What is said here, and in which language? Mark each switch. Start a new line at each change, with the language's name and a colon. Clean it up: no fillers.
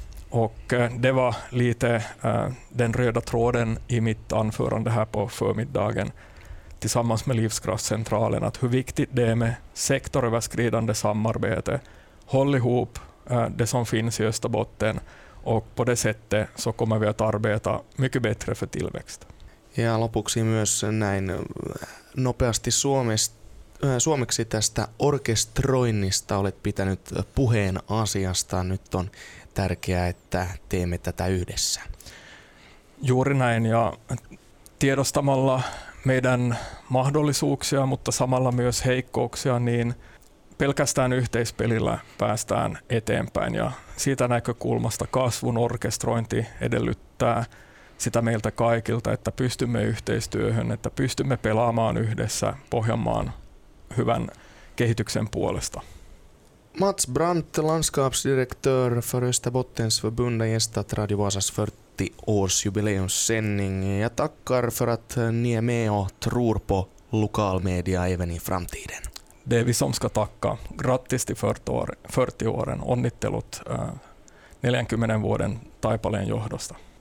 Swedish: Och det var lite den röda tråden i mitt anförande här på förmiddagen. Tillsammans med Livskraftscentralen, att hur viktigt det är med sektoröverskridande samarbete. Håll ihop det som finns i Österbotten och på det sättet så kommer vi att arbeta mycket bättre för tillväxt.
Finnish: Ja lopuksi myös näin nopeasti suomeksi tästä orkestroinnista olet pitänyt puheen asiasta. Nyt on tärkeää, että teemme tätä yhdessä. Juuri näin, ja tiedostamalla meidän mahdollisuuksia, mutta samalla myös heikkouksia, niin pelkästään yhteispelillä päästään eteenpäin. Ja siitä näkökulmasta kasvun orkestrointi edellyttää sitä meiltä kaikilta, että pystymme yhteistyöhön, että pystymme pelaamaan yhdessä Pohjanmaan hyvän kehityksen puolesta.
Swedish: Mats Brandt, landskapsdirektör för Österbottens förbund, gästat Radio Vasas 40 års jubileumssändning. Jag tackar för att ni är med och tror på lokalmedia även i framtiden. Det är vi som ska tacka. Grattis till 40 åren.
Finnish: Onnittelut 40 vuoden Taipaleen johdosta.